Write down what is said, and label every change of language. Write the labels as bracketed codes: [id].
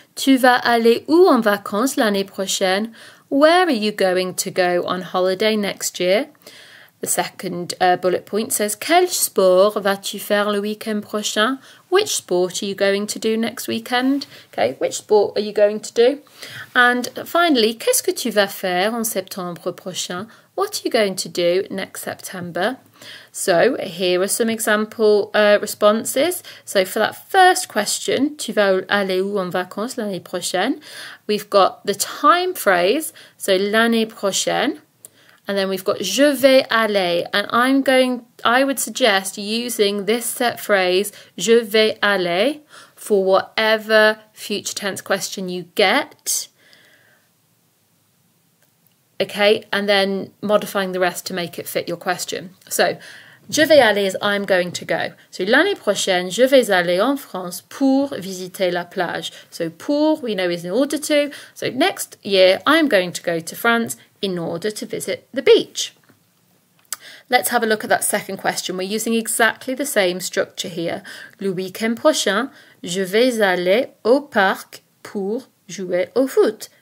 [fr] Tu vas aller où en vacances l'année prochaine? [en] Where are you going to go on holiday next year? The second bullet point says, [fr] quel sport vas-tu faire le week-end prochain? [en] Which sport are you going to do next weekend? Okay, which sport are you going to do? And finally, [fr] qu'est-ce que tu vas faire en septembre prochain? [en] What are you going to do next September? So here are some example responses. So for that first question, [fr] tu vas aller où en vacances l'année prochaine? [en] We've got the time phrase, so [fr] l'année prochaine. [en] And then we've got [fr] je vais aller. [en] And I would suggest using this set phrase, [fr] je vais aller, [en] for whatever future tense question you get. Okay, and then modifying the rest to make it fit your question. So, [fr] je vais aller [en] is I'm going to go. [fr] So, l'année prochaine, je vais aller en France pour visiter la plage. [en] So, pour, we know, is in order to. So, next year, I'm going to go to France in order to visit the beach. Let's have a look at that second question. We're using exactly the same structure here. [fr] Le week-end prochain, je vais aller au parc pour jouer au foot.